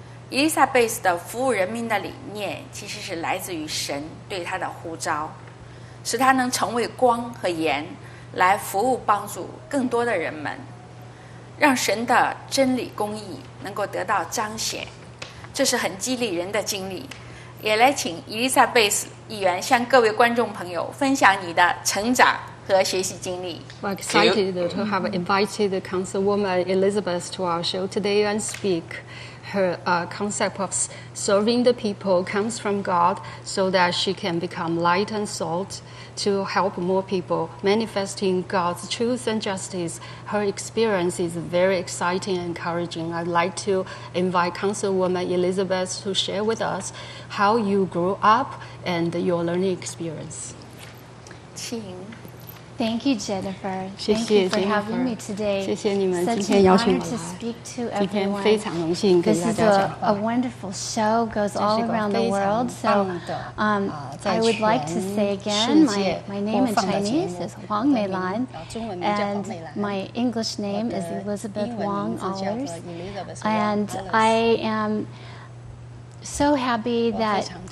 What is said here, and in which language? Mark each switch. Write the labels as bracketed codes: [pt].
[zh] Elizabeth 的服务人民的理念其实是来自于神对她的呼召，使她能成为光和盐，来服务帮助更多的人们，让神的真理公义能够得到彰显。这是很激励人的经历，也来请伊丽莎贝斯议员向各位观众朋友分享你的成长和学习经历。 [en] We're excited to have invited the Councilwoman Elizabeth to our show today and speak. Her concept of serving the people comes from God so that she can become light and salt to help more people, manifesting God's truth and justice. Her experience is very exciting and encouraging. I'd like to invite Councilwoman Elizabeth to share with us how you grew up and your learning experience. [zh] 请。 [en] Thank you, Jennifer. [zh] 谢谢 [en] Thank you for having me today. [zh] 谢谢你们今天邀请我来。今天非常荣幸跟大家讲话。 [en] This is a wonderful show. Goes all around the world. So, I would like to say again, my name in Chinese is Huang Meilan, and my English name is Elizabeth Wang Ahlers, and I am so happy that.